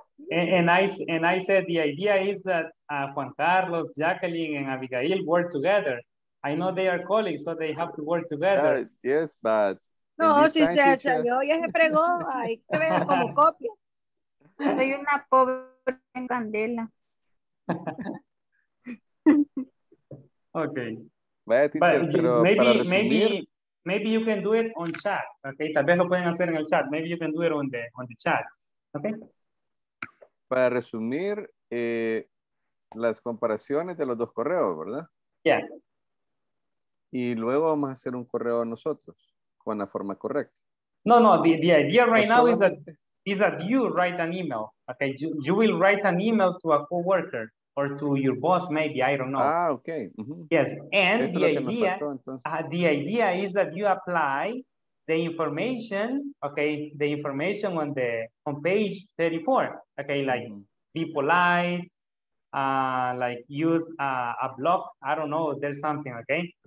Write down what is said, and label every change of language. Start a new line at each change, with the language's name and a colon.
English: And I said the idea is that Juan Carlos, Jacqueline, and Abigail work together. I know they are colleagues, so they have to work together. Yes, but
Spanish: no, si se salió, ya se pregó, ay, que venga como copia. Soy una pobre en candela.
English: Okay.
Spanish: Vaya,
English: teacher, but maybe you can do it on chat.
Spanish: Okay, tal vez lo pueden hacer en el chat.
English: Maybe you can do it on the chat. Okay.
Spanish: Para resumir, las comparaciones de los dos correos, ¿verdad?
English: Yeah.
Spanish: Y luego vamos a hacer un correo a nosotros con la forma correcta.
English: No, the idea right now is that is that you write an email. Okay, you will write an email to a coworker or to your boss, maybe, I don't know. Ah, okay. Mm-hmm. Yes, and the idea, the idea is that you apply the information, okay, the information on the on page 34, okay, like be polite, like use a block, I don't know, there's something, okay?